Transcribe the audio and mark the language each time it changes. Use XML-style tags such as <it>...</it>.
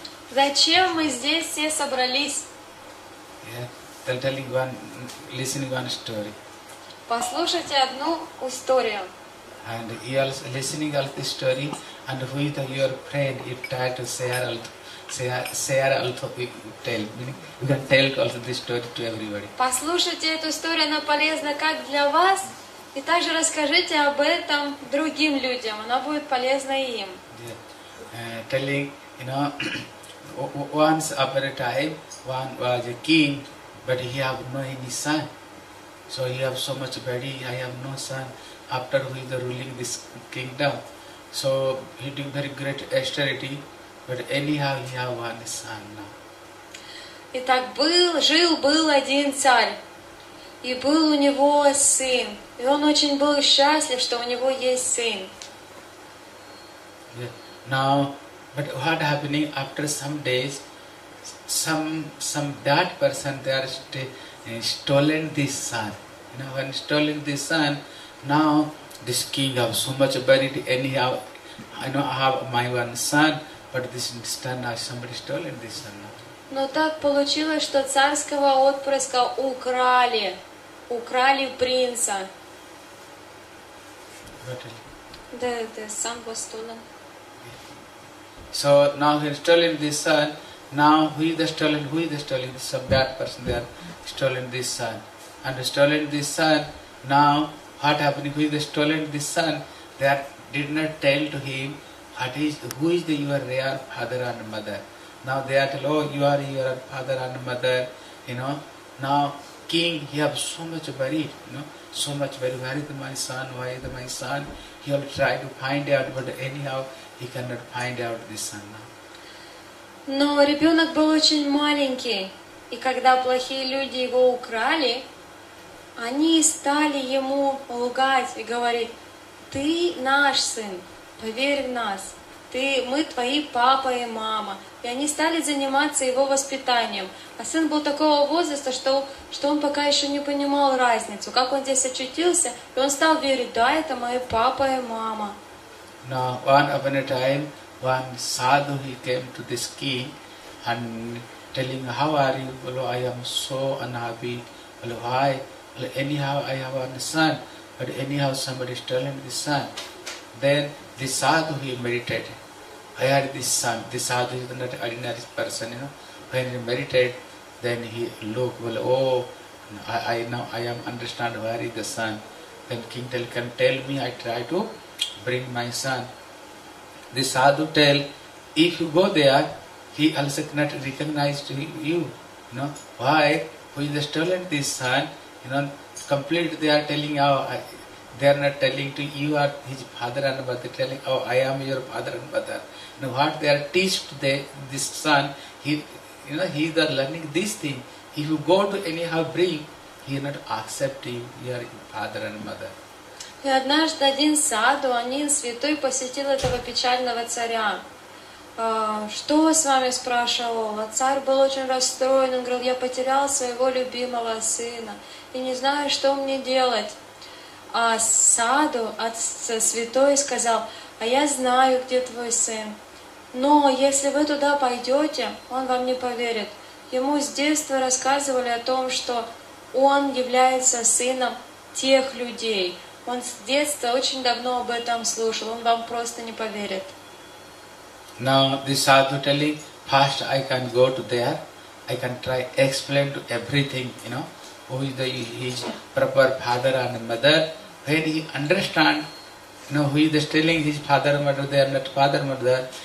<ru>Зачем мы здесь все собрались?</ru> <en>They're telling one, listening one story.</en> <ru>Послушайте одну историю.</ru> <en>And you are listening all the story, and with your friend, you try to share also. You can tell also the story to everybody.</en> <ru>Послушайте эту историю, она полезна как для вас, и также расскажите об этом другим людям. Она будет полезна и им.</ru> <en>Telling, you know, once upon a time, one was a king, but he have no any son. So he have so much body, I have no son. After he the ruling this kingdom, so he did very great austerity, but anyhow he have one son now.</en> <ru>Итак, жил-был один царь, и был у него сын, и он очень был счастлив, что у него есть сын.</ru> <en>Now, but what happening after some days, some that person they are stolen this son. You know, when stolen this son, now this king have so much buried anyhow. I know I have my one son, but this son now somebody stolen this son.</en> <ru>Но так получилось, что царского отпрыска украли принца.</ru> <en>The son was stolen. So now he's stolen this son. Now who is the stolen? Some bad person there stolen this son. And stolen this son. Now what happened? Who is the stolen this son? They did not tell to him who is your real father and mother. Now they are told, oh, you are your father and mother. You know. Now king, he have so much worried. You know, so much worried. Where is my son? Why is my son? He will try to find out, but anyhow. He cannot find out this son now.</en> <ru>Но ребенок был очень маленький, и когда плохие люди его украли, они стали ему лгать и говорить: ты наш сын, поверь в нас, мы твои папа и мама. И они стали заниматься его воспитанием. А сын был такого возраста, что он пока еще не понимал разницу, как он здесь очутился, и он стал верить: да, это мои папа и мама.</ru> <en>Now, one upon a time, one sadhu, he came to this king and telling, how are you? Well, I am so unhappy. Well, why? Well, anyhow, I have one son, but anyhow, somebody stolen this son. Then, the sadhu, he meditated. I had this son. The sadhu is not an ordinary person, you know. When he meditated, then he looked, well, oh, I now understand where is the son. Then king can tell me, I try to bring my son. The sadhu tell, if you go there, he also cannot recognize you. No, why? Who is the stolen this son? You know, complete they are telling, oh, they are not telling to you are his father and mother, telling, oh, I am your father and mother. Now what they are teach to this son, he is learning this thing. If you go to anyhow bring, he will not accept you, your father and mother.</en> <ru>И однажды один саду, один святой посетил этого печального царя. Что с вами, спрашивал он. Царь был очень расстроен. Он говорил: я потерял своего любимого сына и не знаю, что мне делать. А саду, святой сказал: а я знаю, где твой сын. Но если вы туда пойдете, он вам не поверит. Ему с детства рассказывали о том, что он является сыном тех людей. Он с детства очень давно об этом слушал. Он вам просто не поверит.</ru> <en>Now the sadhu telling, first I can go to there. I can try explain to everything, you know, who is the his proper father and mother. When he understand, you know, who is telling his father and mother, they are not father and mother.</en>